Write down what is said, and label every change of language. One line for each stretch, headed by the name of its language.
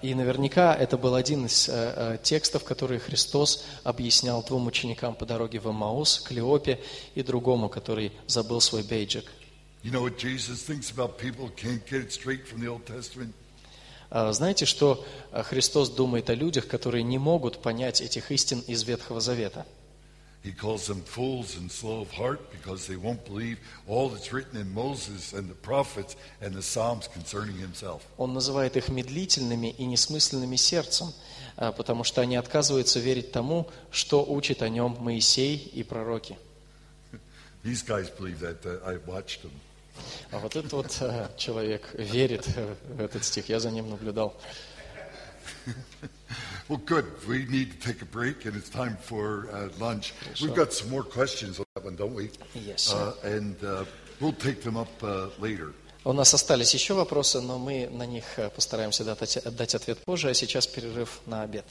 Russian: И наверняка это был один из текстов, который Христос объяснял двум ученикам по дороге в Эммаус, Клеопе и другому, который забыл свой бейджик.
English: You know what Jesus thinks about people who can't get it straight from the Old Testament?
Russian: Знаете, что Христос думает о людях, которые не могут понять этих истин из Ветхого Завета?
English: He calls them fools and slow of heart because they won't believe all that's written in Moses and the prophets and the Psalms concerning himself.
Russian: Он называет их медлительными и несмысленными сердцем, потому что они отказываются верить тому, что учит о нем Моисей и пророки.
English: These guys believe that. I watched them.
Russian: А вот этот вот человек верит в этот стих. Я за ним наблюдал.
English: Well, good. We need to take a break, and it's time for lunch.
Russian: Хорошо.
English: We've got some more questions on that one, don't we? Yes. We'll take them up later.
Russian: У нас остались еще вопросы, но мы на них постараемся дать ответ позже, а сейчас перерыв на обед.